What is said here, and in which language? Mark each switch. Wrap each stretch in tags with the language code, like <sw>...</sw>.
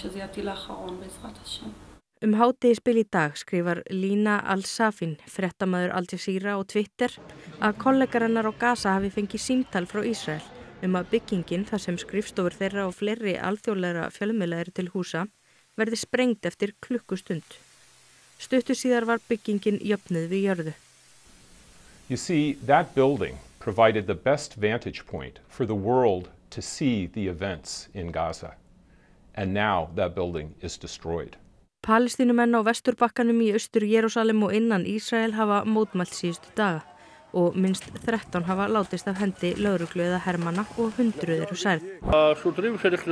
<is>Hádegisbil í dag skrifar Lína Al-Safin, fréttamaður Al Jazeera á Twitter, að kollegar hennar á Gaza hafi fengið símtal frá Ísrael að byggingin, þar sem skrifstofur þeirra og fleiri alþjóðlegra fjölmiðla eru til húsa, verði sprengd eftir klukkustund. Stuttu síðar var byggingin jöfnuð við jörðu.</is> <en>You see, that building provided the best vantage point for the world to see the events in Gaza. And now that building is destroyed.</en> <is>Palestínumenn á Vesturbakkanum í Austur Jerúsalem og innan Ísrael hafa mótmælt síðustu daga og minst 13 hafa látist af hendi lögreglu eða hermanna og 100 eru særð.</is>